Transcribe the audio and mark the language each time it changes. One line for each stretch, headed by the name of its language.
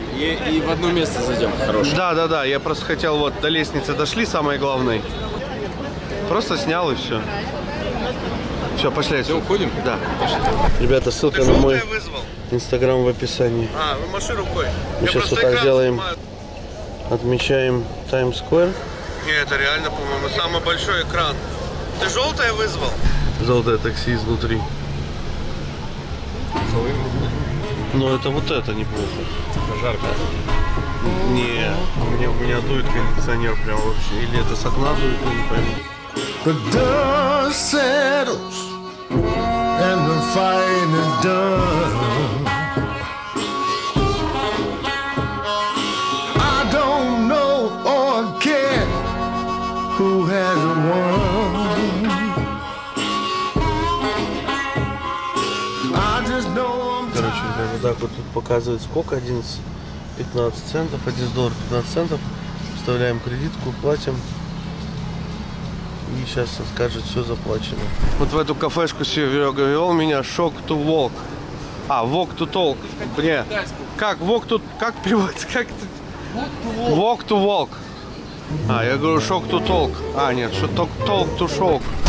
Russian: И в одно место зайдем хорошее. Да, да, да. Я просто хотел вот до лестницы дошли, самое главное. Просто снял и все. Все, пошли. Все, уходим? Да. Ребята, ссылка на мой Instagram в описании. А, вы маши рукой. Мы сейчас вот так делаем. Отмечаем Times Square. Не, это реально, по-моему, самый большой экран. Ты желтое вызвал? Золотое такси изнутри. Но это вот это неплохо. Жарко. Не, у меня дует кондиционер прям вообще. Или это с окна дует, я не пойму.
English: The dust settles and the fight is done. I don't know or care who has won. I just know I'm tired.
Russian: Короче, вот так вот тут показывает сколько? 11-15 центов, $1, 15 центов. Вставляем кредитку, платим. И сейчас он скажет, все заплачено. Вот в эту кафешку Серега вел меня,
English: shock to walk.
Russian: А,
English: walk to talk.
Russian: Бля. Как?
English: Walk to...
Russian: Как переводится? Как это?
English: Walk to walk.
Russian: А, я говорю,
English: shock to talk.
Russian: А, нет, что
English: talk, talk to shock.